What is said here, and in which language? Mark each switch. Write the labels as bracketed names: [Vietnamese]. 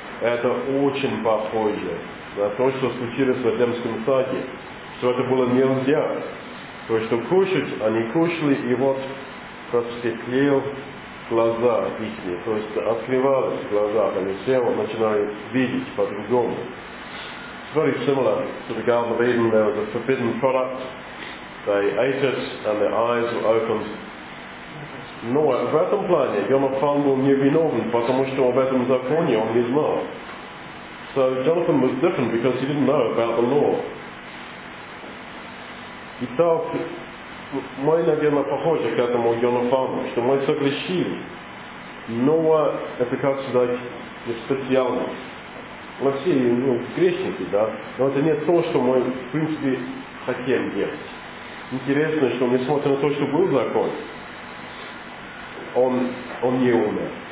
[Russian] Это очень похоже на то, что случилось в Эдемском саде, что это было нельзя. То, что кушать, они кушали, и вот просветлел глаза их, то есть открывались глаза, они все начинают видеть по-другому. [English] It's very similar to the Garden of Eden. There was a forbidden product. They ate it and their eyes were opened. [Russian] Но в этом плане Йонатан был невиновен, потому что в этом законе он не знал. [English] So Jonathan was different because he didn't know about the law. [Russian] Итак, мы, наверное, похожи к этому Йонатану, что мы согрешили. Но это, как сказать, не специально. Мы все, ну, грешники, да? Но это не то, что мы, в принципе, хотели делать. Интересно, что, несмотря на то, что был закон, он не умер.